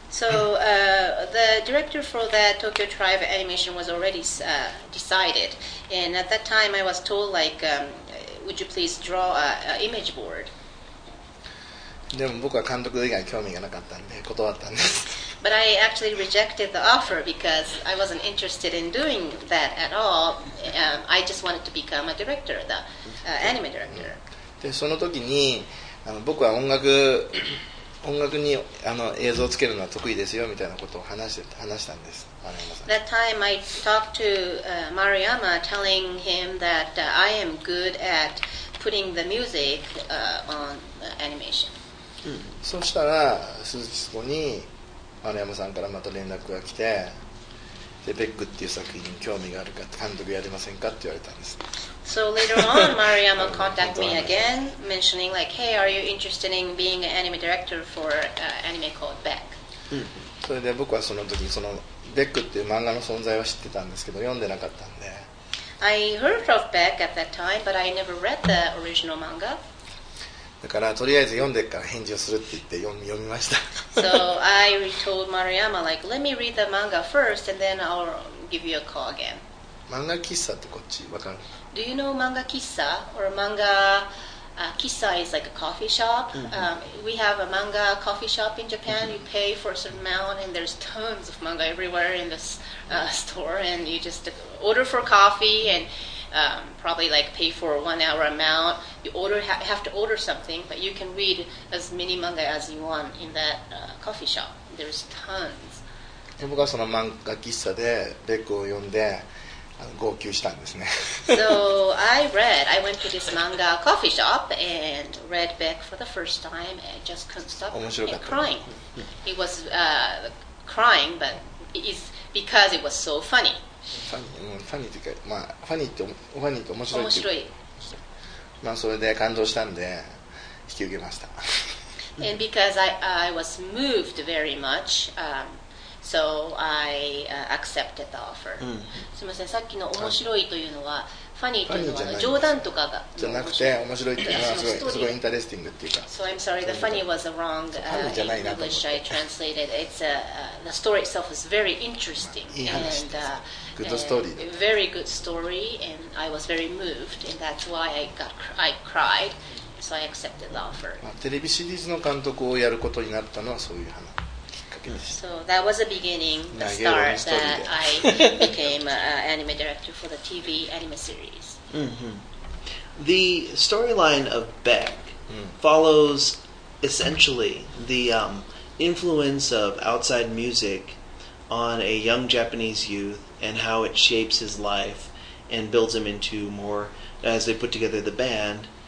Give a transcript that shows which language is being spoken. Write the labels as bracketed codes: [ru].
[en] So the director for the Tokyo Tribe animation was already decided, and at that time I was told like, would you please draw an image board? [ja] でも僕は監督以外興味がなかったんで断ったんです。 [en] But I actually rejected the offer because I wasn't interested in doing that at all. I just wanted to become a director, the anime director. [ja] でその時に僕は音楽に映像をつけるのは得意ですよみたいなことを話したんです。 [en] That time I talked to Maruyama telling him that I am good at putting the music on animation. [ja] そしたら数日後に丸山さんからまた連絡が来て、でベックっていう作品に興味があるか、監督やりませんかって言われたんです。 [en] So later on, Maruyama contacted me again, mentioning like, hey, are you interested in being an anime director for an anime called Beck? [ja] それで僕はその時その Beck っていう漫画の存在は知ってたんですけど、読んでなかったんで。 [en] I heard of Beck at that time, but I never read the original manga. [ja] だからとりあえず読んでから返事をするって言って読みました。 [en] So I told Maruyama like, let me read the manga first and then I'll give you a call again. [ja] 漫画喫茶ってこっちわかる？ [en] Do you know 漫画喫茶 or 漫画喫茶 is like a coffee shop.、We have a 漫画 coffee shop in Japan.、You pay for a certain amount and there's tons of 漫画 everywhere in this、store and you just order for coffee and、probably like pay for 1 hour amount. You order have to order something, but you can read as many 漫画 as you want in that、coffee shop. There's tons. [ja] 僕はその漫画喫茶でベックを読んで。号泣したんですね。 [en] So I read. I went to this manga coffee shop and read Beck for the first time and just couldn't stop crying. He was crying, but it's because it was so funny. [ja] ファニー、うん、ファニーというか、まあ、ファニーって、ファニーって面白いっていう。面白い。まあ、それで感動したんで、引き受けました。 And because I was moved very much, so I accepted the offer. すみません、さっきの面白いというのは、ファニーというのは冗談とかが。じゃなくて、面白いっていうのはすごい、すごいインタレスティングっていうか。 [en] So I'm sorry, the funny was a wrong English I translated. It's a, the story itself is very interesting. [ja] いい話です。 Good story. [en] Very good story, and I was very moved, and that's why I cried. So I accepted the offer. [ja] まあ、テレビシリーズの監督をやることになったのはそういう話きっかけです。 [en] So that was the beginning, the start that I became anime director for the TV anime series. The storyline of Beck follows essentially the influence of outside music on a young Japanese youth and how it shapes his life and builds him into more as they put together the band.